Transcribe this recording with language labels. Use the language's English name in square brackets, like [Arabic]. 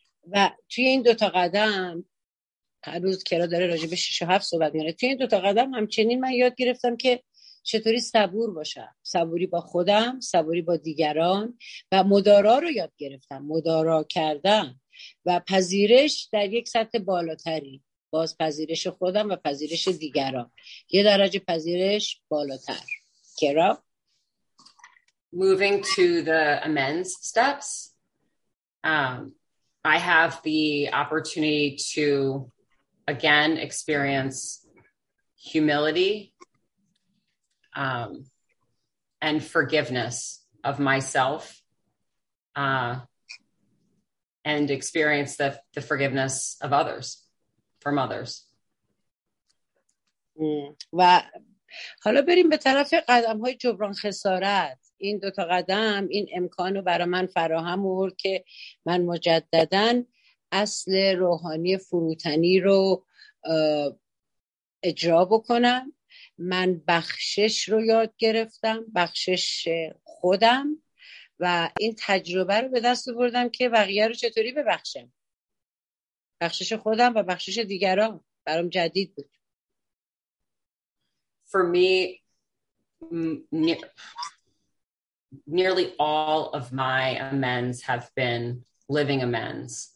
[Persian] و توی این دوتا قدم هر روز کرا داره راجع به 6 و 7 صحبت میاره، توی این دوتا قدم همچنین من یاد گرفتم که چطوری صبور باشم، صبوری با خودم، صبوری با دیگران و مدارا رو یاد گرفتم، مدارا کردم و پذیرش در یک سطح بالاتری، باز پذیرش خودم و پذیرش دیگران، یه درجه پذیرش بالاتر. کرا [English] moving to the amends steps, I have the opportunity to again experience humility and forgiveness of myself and experience the forgiveness of others, from others. [Persian] و حالا بریم به طرف قدم‌های جبران خسارت. این دوتا قدم این امکان رو برای من فراهم آورد که من مجدداً اصل روحانی فروتنی رو اجرا بکنم. من بخشش رو یاد گرفتم، بخشش خودم، و این تجربه رو به دست آوردم که بقیه رو چطوری ببخشم. بخشش خودم و بخشش دیگران برام جدید بود. [English] For me, nearly all of my amends have been living amends.